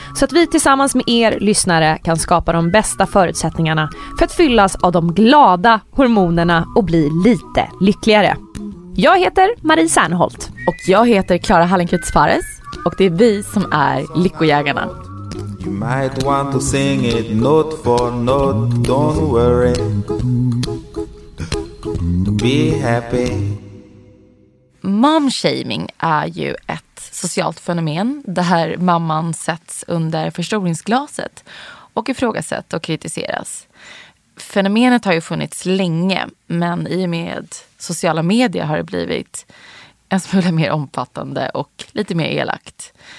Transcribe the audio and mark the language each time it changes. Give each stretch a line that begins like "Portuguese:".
Swedish: Så att vi tillsammans med er lyssnare kan skapa de bästa förutsättningarna för att fyllas av de glada hormonerna och bli lite lyckligare. Jag heter Marie Serneholt. Och jag heter Clara Hallenkrutz Fares. Och det är vi som är Lyckojägarna.
English: You might want to sing it note for note, don't worry. Be happy.
Swedish: Momshaming är ju ett socialt fenomen där mamman sätts under förstoringsglaset och ifrågasätts och kritiseras. Fenomenet har ju funnits länge, men i och med sociala medier har det blivit en smula mer omfattande och lite mer elakt.